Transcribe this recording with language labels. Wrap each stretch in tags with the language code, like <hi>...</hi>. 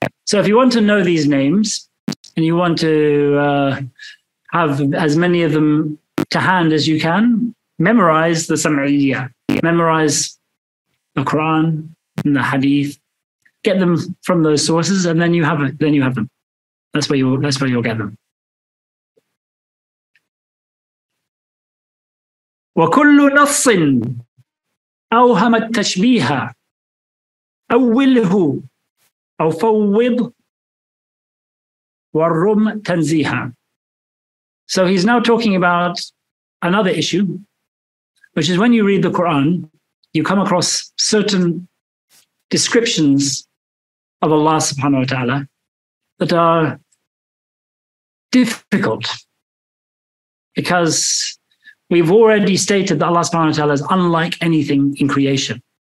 <en>So if you want to know these names and you want to have as many of them to hand as you can, memorize the Sam'iyya. Memorize the Quran and the Hadith. Get them from those sources, and then you have it, then you have them. That's where you'll get them.</en> <ar>وكل نص أوهم التشبيه أوله أو فوض والرم تنزيها.</ar> <en>So he's now talking about another issue, which is when you read the Quran, you come across certain descriptions of Allah subhanahu wa ta'ala that are difficult, because we've already stated that Allah subhanahu wa ta'ala is unlike anything in creation.</en>